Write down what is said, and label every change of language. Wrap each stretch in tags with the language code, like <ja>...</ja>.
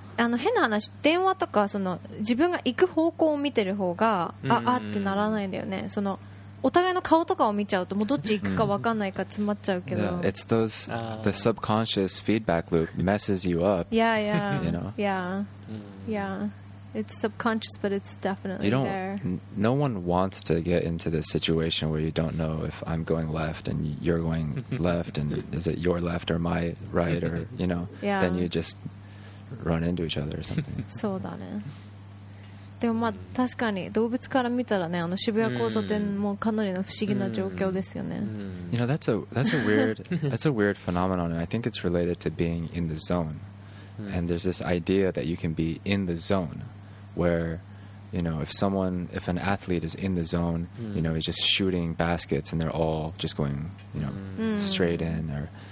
<ja>あの変な話、電話とかその自分が行く方向を見てる方が あってならないんだよね。そのお互いの顔とかを見ちゃうともうどっち行くか分かんないから詰まっちゃうけど、</ja> <en>yeah. It's those the subconscious feedback loop messes you up. Yeah, yeah. You know? Yeah. It's subconscious but it's definitely there. No one wants to get into this situation where you don't know if I'm going left and you're going left and is it your left or my right or, you know, then you justrun into each other or something.</en> <ja>そうだね。でもまあ確かに動物から見たらね、あの渋谷交差点もかなりの不思議な状況ですよね。</ja> <en>You know, that's a weird phenomenon, and I think it's related to being in the zone. And there's this idea that you can be in the zone, where, you know, if an athlete is in the zone, you know, he's just shooting baskets and they're all just going, you know, straight in.</en>